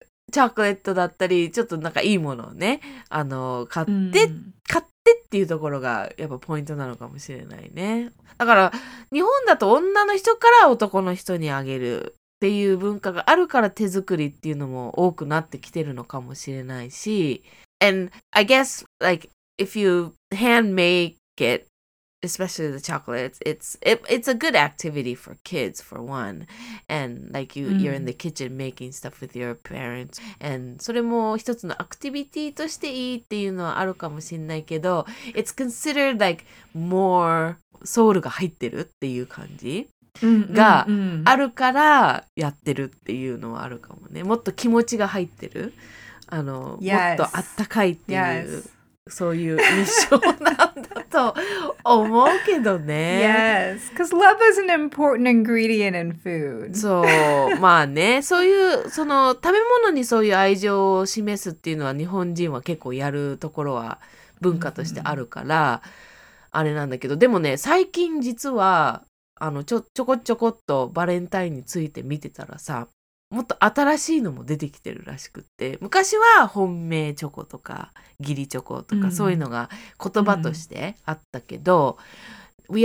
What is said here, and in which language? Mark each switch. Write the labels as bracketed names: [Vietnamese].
[Japanese] チョコレートだったり、ちょっとなんかいいものをね、買って、mm. 買ってっていうところがやっぱポイントなのかもしれないね。だから、日本だと女の人から男の人にあげるっていう文化があるから手作りっていうのも多くなってきてるのかもしれないし。 [English] And I guess, like, if you hand make it, especially the chocolates, it's a good activity for kids, for one. And like you,、mm. you're in the kitchen making stuff with your parents. And [Japanese] それも一つのアクティビティとしていいっていうのはあるかもしれないけど、 [English] it's considered like more [Japanese] ソウルが入ってるっていう感じがあるからやってるっていうのはあるかもね。もっと気持ちが入ってる。 [English] Yes. [Japanese] もっとあったかいっていう。 [English] Yes. [Japanese] そういう印象なんだと思うけどね。 [English] Yes, because love is an important ingredient in food. [Japanese] そう、まあね、そういうその食べ物にそういう愛情を示すっていうのは日本人は結構やるところは文化としてあるから、mm-hmm. あれなんだけど、でもね、最近実はちょこちょこっとバレンタインについて見てたらさ、もっと新しいのも出てきてるらしくって、昔は本命チョコとか義理チョコとか、mm-hmm. そういうのが言葉としてあったけど、mm-hmm.